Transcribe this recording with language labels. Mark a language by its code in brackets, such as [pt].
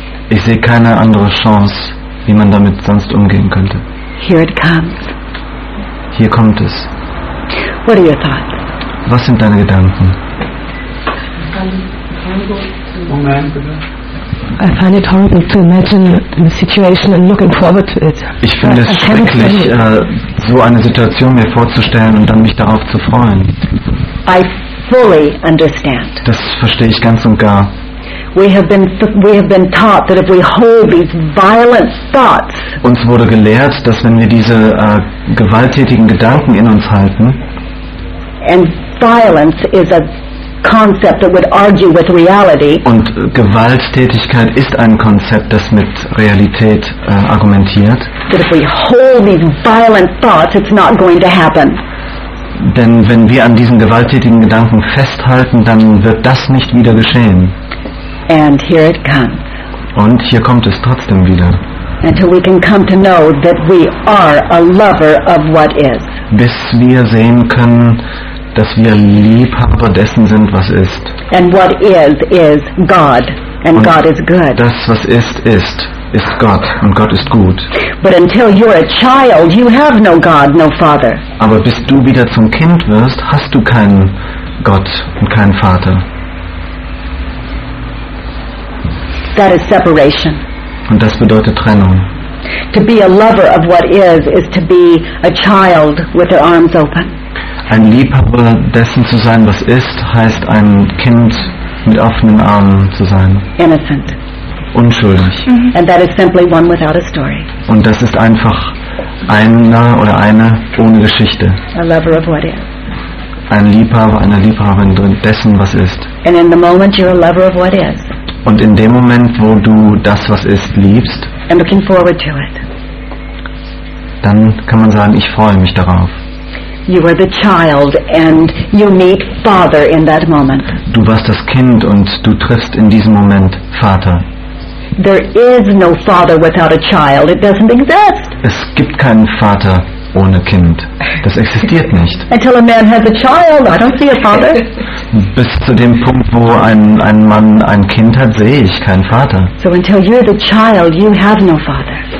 [de] Ich sehe keine andere Chance, wie man damit sonst umgehen könnte. [en] Here it comes. [de] Hier kommt es. [en] What are your thoughts? [de] Was sind deine Gedanken? [en] I find it horrible to imagine the situation and looking forward to it. [de] Ich finde es schrecklich, so eine Situation mir vorzustellen und dann mich darauf zu freuen. [en] I fully understand. [de] Das verstehe ich ganz und gar. [en] We have been taught that if we hold these violent thoughts. [de] Uns wurde gelehrt, dass wenn wir diese gewalttätigen Gedanken in uns halten. [en] And violence is a concept that would argue with reality. [de] Und Gewalttätigkeit ist ein Konzept, das mit Realität argumentiert. [en] That if we hold these violent thoughts, it's not going to happen. [de] Denn wenn wir an diesen gewalttätigen Gedanken festhalten, dann wird das nicht wieder geschehen. [en] And here it comes. [de] Und hier kommt es trotzdem wieder. [en] Until we can come to know that we are a lover of what is. [de] Bis wir sehen können, dass wir Liebhaber dessen sind, was ist. [en] And what is God, and [de] und [en] God is good. [de] Das, was ist Gott, und Gott ist gut. [en] But until you're a child, you have no God, no father. [de] Aber bis du wieder zum Kind wirst, hast du keinen Gott und keinen Vater. [en] That is separation. [de] Und das bedeutet Trennung. [en] To be a lover of what is to be a child with their arms open. [de] Ein Liebhaber dessen zu sein, was ist, heißt ein Kind mit offenen Armen zu sein. [en] Innocent. [de] Unschuldig. Mm-hmm. [en] And that is simply one without a story. [de] Und das ist einfach einer oder eine ohne Geschichte. [en] A lover of what is. [de] Ein Liebhaber, eine Liebhaberin drin, dessen, was ist. [en] And in the moment you're a lover of what is. [de] Und in dem Moment, wo du das, was ist, liebst, [en] and looking forward to it. [de] Dann kann man sagen, ich freue mich darauf. [en] You are the child and you meet father in that moment. [de] Du warst das Kind und du triffst in diesem Moment Vater. [en] There is no father without a child. It doesn't exist. [de] Es gibt keinen Vater ohne Kind. Das existiert nicht. [en] Until a man has a child, I don't see a father. [de] Bis zu dem Punkt, wo ein Mann ein Kind hat, sehe ich keinen Vater. [en] So until you're the child, you have no father.